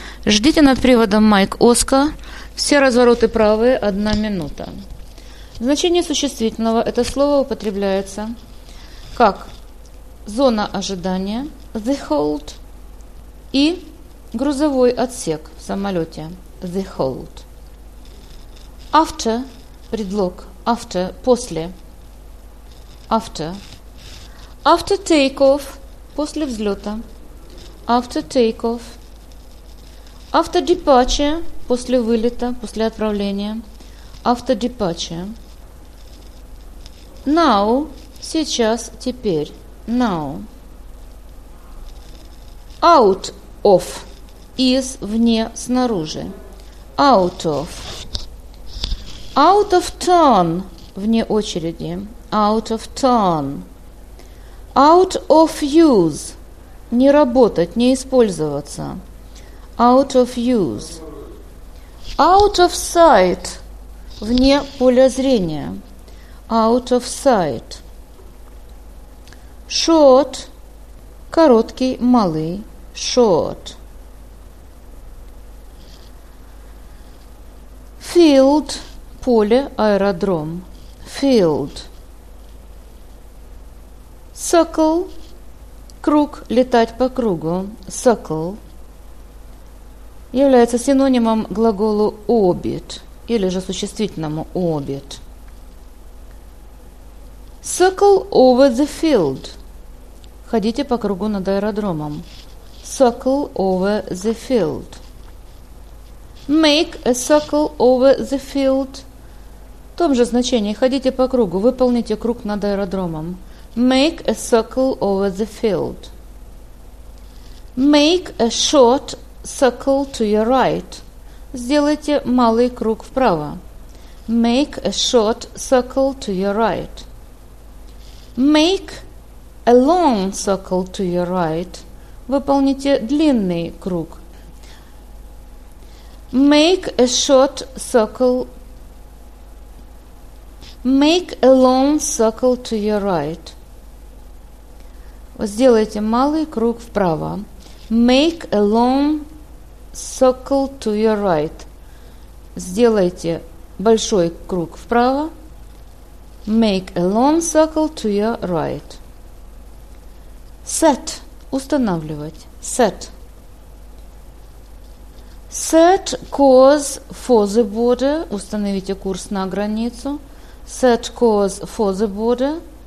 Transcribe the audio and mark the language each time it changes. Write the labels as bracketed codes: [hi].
[ru] Ждите над приводом Mike Oscar. Все развороты правые, 1 минута. Значение существительного. Это слово употребляется как зона ожидания, the hold, и грузовой отсек в самолете, the hold. [en] After, предлог, after, после, after. After take-off, [ru] после взлета, [en] after take-off. After departure, [ru] после вылета, после отправления, [en] after departure. Now, [ru] сейчас, теперь, [en] now. Out of, [ru] из, вне, снаружи, [en] out of. Out of turn, [ru] вне очереди, [en] out of turn. Out of use, [ru] не работать, не использоваться, [en] out of use. Out of sight, [ru] вне поля зрения, [en] out of sight. Short, [ru] короткий, малый, [en] short. Field, [ru] поле, аэродром, [en] field. [ru] Circle, круг, летать по кругу, circle. Является синонимом глаголу orbit или же существительному orbit. [en] Circle over the field. [ru] Ходите по кругу над аэродромом. [en] Circle over the field. Make a circle over the field. [ru] В том же значении. Ходите по кругу. Выполните круг над аэродромом. [en] Make a circle over the field. Make a short circle to your right. [ru] Сделайте малый круг вправо. [en] Make a short circle to your right. Make a long circle to your right. [ru] Выполните длинный круг. [en] Make a short circle. Make a long circle to your right. [ru] Сделайте малый круг вправо. [en] Make a long circle to your right. [ru] Сделайте большой круг вправо. [en] Make a long circle to your right. Set. Устанавливать. Set. Set course for the border. [ru] Установите курс на границу. [en] Set course for the border.